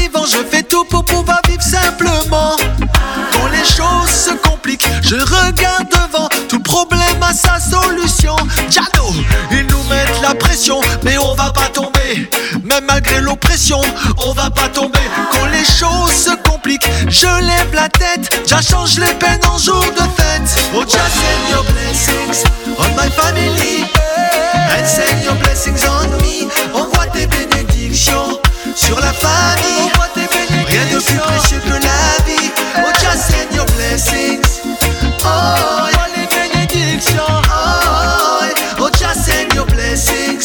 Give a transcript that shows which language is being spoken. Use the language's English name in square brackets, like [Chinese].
[French] Je fais tout pour pouvoir vivre simplement. Quand les choses se compliquent, je regarde devant. Tout problème a sa solution. Tchano, ils nous mettent la pression, mais on va pas tomber. Même malgré l'oppression, on va pas tomber. Quand les choses se compliquent, je lève la tête. Tchano, change les peines en jour de fête. [English] Oh Tchano, send your blessings on my family. And send your blessings on me. [French] Envoie tes bénédictions sur la famille. Rien de plus précieux que la vie. [English] Oh, just send your blessings. Oh, [French] oh, les bénédictions. [English] Oh, oh, just send your blessings.